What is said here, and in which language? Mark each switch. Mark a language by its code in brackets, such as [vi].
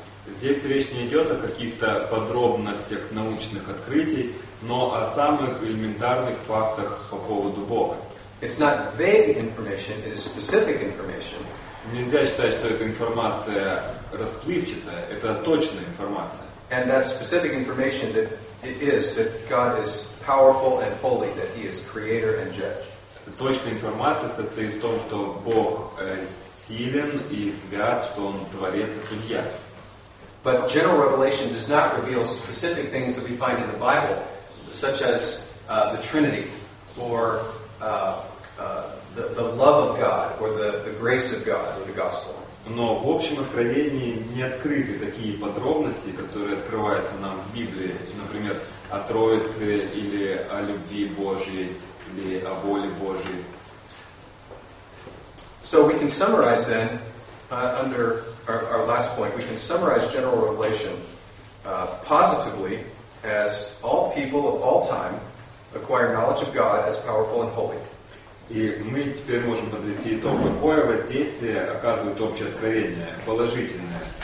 [ru] Здесь речь не идет о каких-то подробностях научных открытий, но о самых элементарных фактах по поводу Бога. [en] It's not vague information. It is specific information. [ru] Нельзя считать, что эта информация расплывчатая. Это точная информация. [en] And that specific information that it is that God is powerful and holy, that He is creator and judge. [ru] Точная информация состоит в том, что Бог силен и свят, что Он творец и судья. [en] But general revelation does not reveal specific things that we find in the Bible, such as the Trinity, or the love of God, or the grace of God, or the gospel. [ru] Но в общем откровении не открыты такие подробности, которые открываются нам в Библии, например, о Троице или о любви Божьей или о воле Божьей. [en] So we can summarize then under our last point, we can summarize general revelation positively as all people of all time acquire knowledge of God as powerful and holy. [ru] И мы теперь можем подвести итог, какое воздействие оказывает общее откровение, положительное.